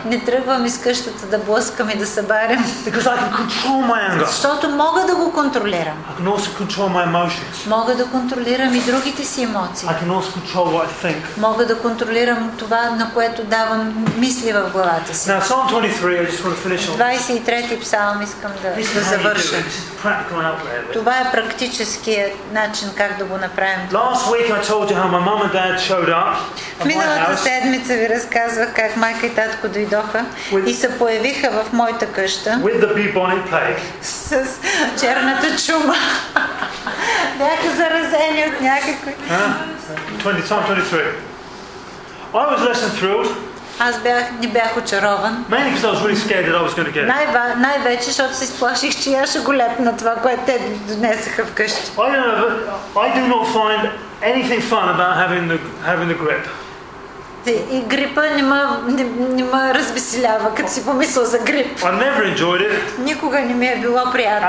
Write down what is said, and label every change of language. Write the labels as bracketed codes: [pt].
[bg] Не тръгвам из къщата да блъскам и да събарям. [en] Because I can control my anger. [bg] Защото мога да го контролирам. [en] I can also control my emotions. [bg] Мога да контролирам и другите си емоции. [en] I can also control what I think. [bg] Мога да контролирам това, на което давам мисли в главата си. [en] Now, Psalm 23, I just want to finish on. [bg] 23-ти псалм искам да завърша. Това е практическият начин как да го направим. [en] Last week I told you how my mom and dad showed up. [bg] Миналата седмица ви разказвах как майка и татко дойдоха и се появиха в моята къща. [en] With the bubonic plague. [bg] С черната чума. Бяха заразени от някакви. [en] 23. I was less than thrilled. [bg] Аз не бях очарован. [en] Mainly because I was really scared that I was going to get it. [bg] Най-вече, защото се сплаших, че я ще го лепна това, което те донесаха вкъщи. [en] I do not find anything fun about having the grip. [bg] И грипа не ма развеселява, като си помисля за грип. [en] I never enjoyed it. [bg] Никога не ми е било приятно.